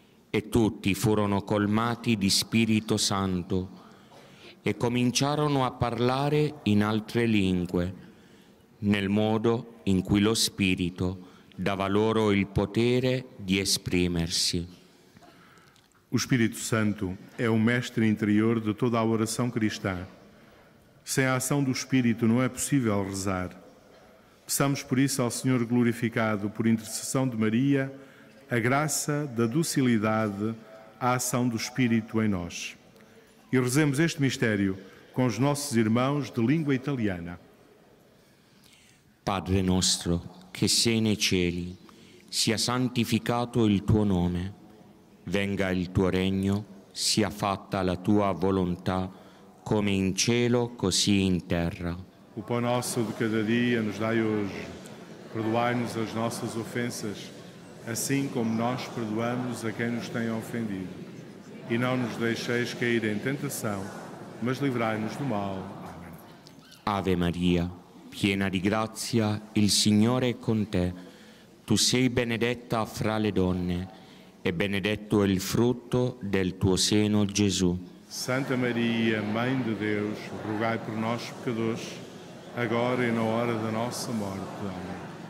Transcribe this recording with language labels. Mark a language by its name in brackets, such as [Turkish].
[Italian] E tutti furono colmati di Spirito Santo e cominciarono a parlare in altre lingue, nel modo in cui lo Spirito dava loro il potere di esprimersi. [Portuguese] O Espírito Santo é o mestre interior de toda a oração cristã. Sem a ação do Espírito não é possível rezar. Peçamos por isso ao Senhor glorificado, por intercessão de Maria, a graça da docilidade à ação do Espírito em nós. E rezemos este mistério com os nossos irmãos de língua italiana. [Italian] Padre nostro, che sei nei cieli, sia santificato il tuo nome. Venga il tuo regno, sia fatta la tua volontà, come in cielo, così in terra. [Portuguese] O pão nosso de cada dia nos dai hoje. Perdoai-nos as nossas ofensas, assim como nós perdoamos a quem nos tem ofendido. E não nos deixeis cair em tentação, mas livrai-nos do mal. Amém. [Italian] Ave Maria, piena di grazia, il Signore è con te. Tu sei benedetta fra le donne. E benedetto è il frutto del tuo seno, Gesù. [Portuguese] Santa Maria, Mãe de Deus, rogai [Italian] per noi peccatori, [Portuguese] agora e na hora da nossa morte. Amen.